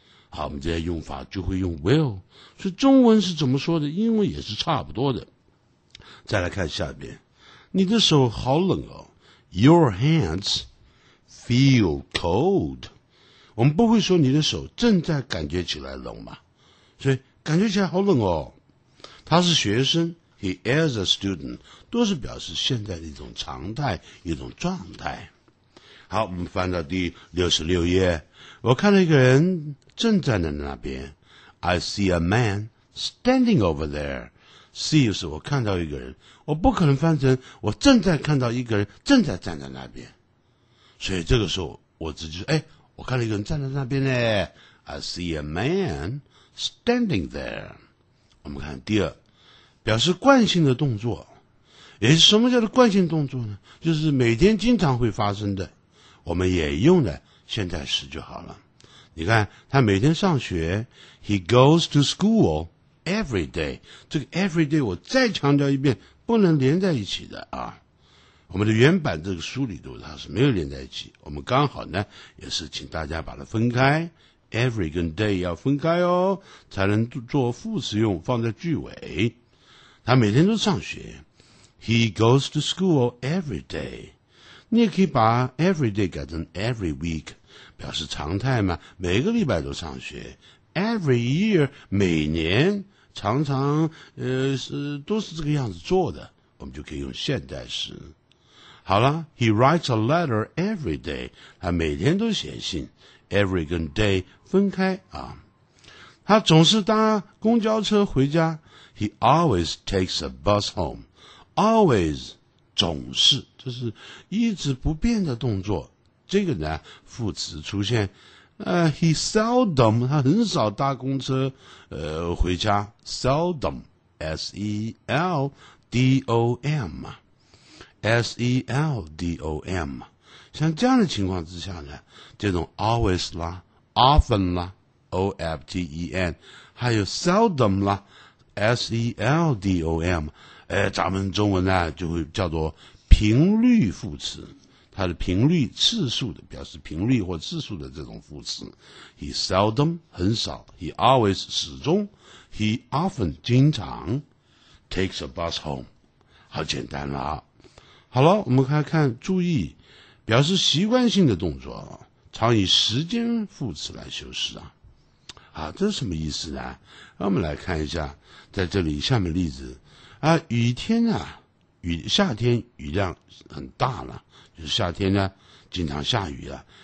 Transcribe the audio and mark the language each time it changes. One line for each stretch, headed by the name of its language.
Chinese: 好我们这些用法就会用 will 所以中文是怎么说的英文也是差不多的再来看下边你的手好冷哦
English: Your hands feel coldwe won't say your hands are feeling cold, right? So, it feels cold, right? He's a student, he is a student.
Chinese: 都是表示现在的一种常态，一种状态。好，我们翻到第66页。我看到一个人正站在那边。
English: I see a man standing over there.
Chinese: See 是我看到一个人。我不可能翻成我正在看到一个人正在站在那边。所以这个时候我直接说，哎，我看了一个人站在那边呢
English: I see a man standing there
Chinese: 我们看第二表示惯性的动作诶什么叫做惯性动作呢就是每天经常会发生的我们也用的现在时就好了你看他每天上学
English: He goes to school every day
Chinese: 这个 every day 我再强调一遍不能连在一起的啊。我们的原版这个书里头它是没有连在一起，我们刚好呢也是请大家把它分开， every 跟 day 要分开哦，才能做副词用，放在句尾。他每天都上学，
English: He goes to school every day。
Chinese: 你也可以把 every day 改成 every week， 表示常态嘛，每个礼拜都上学。 Every year 每年常常是都是这个样子做的，我们就可以用现代时。好啦，
English: He writes a letter every day，
Chinese: 他每天都写信， every 跟 day 分开啊。他总是搭公交车回家，
English: He always takes a bus home，
Chinese: always 总是，就是一直不变的动作。这个呢副词出现
English: He seldom，
Chinese: 他很少搭公车回家， seldom， S-E-L-D-O-M S-E-L-D-O-M。像这样的情况之下呢，这种 always 啦， often 啦， O-F-T-E-N， 还有 seldom 啦， S-E-L-D-O-M， 咱们中文呢就会叫做频率副词，它的频率次数的，表示频率或次数的这种副词。
English: He seldom
Chinese: 很少，
English: He always
Chinese: 始终，
English: He often
Chinese: 经常，
English: takes a bus home，
Chinese: 好简单啦。好了，我们来看注意，表示习惯性的动作常以时间副词来修饰啊。啊，这是什么意思呢？我们来看一下在这里下面例子啊。雨天啊，雨夏天雨量很大了，就是夏天呢经常下雨啊。